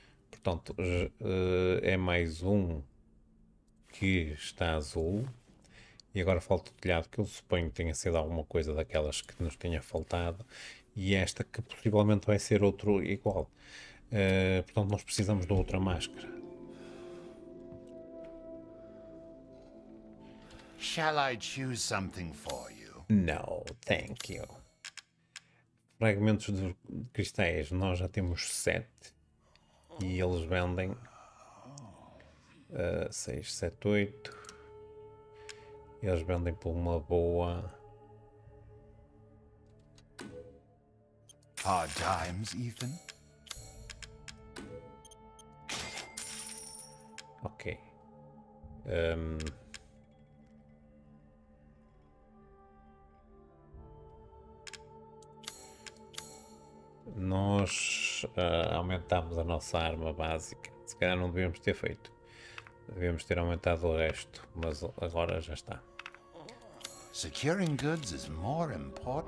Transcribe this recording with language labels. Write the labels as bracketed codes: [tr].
[pt] Portanto, é mais um que está azul. E agora falta o telhado, que eu suponho que tenha sido alguma coisa daquelas que nos tenha faltado. E esta que possivelmente vai ser outro igual. Portanto, nós precisamos de outra máscara. [en] Shall I choose something for you? No, thank you. [pt] Fragmentos de cristais, nós já temos 7 e eles vendem 6, 7, 8. Eles vendem por uma boa [en] hard times, Ethan. Ok. [pt] Nós aumentámos a nossa arma básica. Se calhar não devíamos ter feito. Devíamos ter aumentado o resto, mas agora já está. [en] Securing goods is more important.